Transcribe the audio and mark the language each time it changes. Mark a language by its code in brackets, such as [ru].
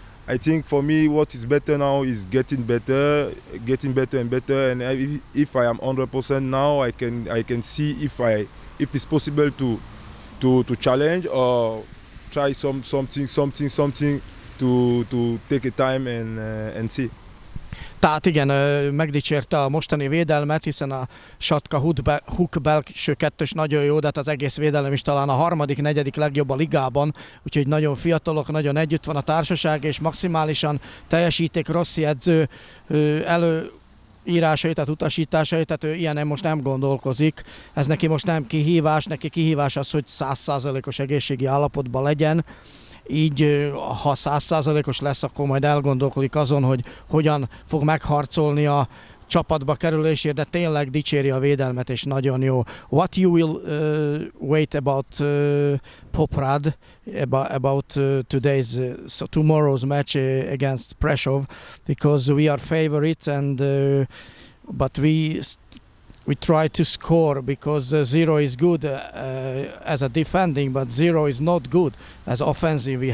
[en] I think for me what is better now is getting better and better, and if I am 100% now, I can see if it's possible to challenge or try something to take a time and see. [hu] Tehát igen, megdicsérte a mostani védelmet, hiszen a Šatka Hook belső kettős nagyon jó, de hát az egész védelem is talán a harmadik, negyedik legjobb a ligában, úgyhogy nagyon fiatalok, nagyon együtt van a társaság, és maximálisan teljesítik Rossi edző elő írásai, tehát utasításai, tehát ő ilyenem most nem gondolkozik. Ez neki most nem kihívás, neki kihívás az, hogy 100%-os egészségi állapotban legyen. Így, ha 100%-os lesz, akkor majd elgondolkodik azon, hogy hogyan fog megharcolni a csapatba kerülésért, de tényleg dicséri a védelmet, és nagyon jó. [en] What you will wait about Poprad, about today's, so tomorrow's match against Preshov, because we are favorite, and but we try to score, because zero is good as a defending, but zero is not good as offensive.